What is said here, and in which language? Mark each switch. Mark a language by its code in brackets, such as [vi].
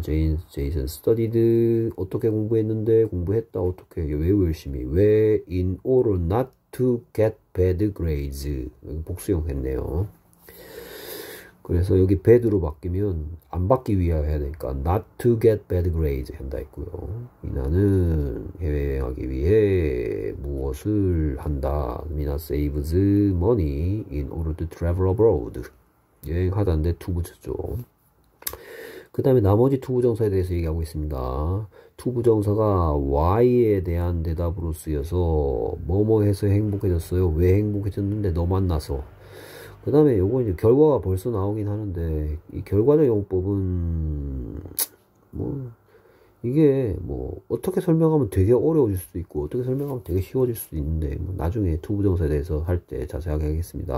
[ko] 제이슨 스터디드 어떻게 공부했는데 공부했다 어떻게 왜 열심히 왜 [en] in order not to get bad grades [ko] 복수형 했네요. 그래서 여기 bad로 바뀌면 안 받기 위하여 해야 되니까 [en] not to get bad grades [ko] 한다 했고요. 미나는 해외여행하기 위해 무엇을 한다. [en] 미나 saves money in order to travel abroad. [ko] 여행하다는데 to 붙였죠. 그 다음에 나머지 to 부정사에 대해서 얘기하고 있습니다. to 부정사가 why에 대한 대답으로 쓰여서 뭐뭐 해서 행복해졌어요. 왜 행복해졌는데 너 만나서. 그 다음에 요거 이제 결과가 벌써 나오긴 하는데 이 결과적 용법은 뭐 이게 뭐 어떻게 설명하면 되게 어려워질 수도 있고 어떻게 설명하면 되게 쉬워질 수도 있는데 뭐 나중에 투부정사에 대해서 할 때 자세하게 하겠습니다.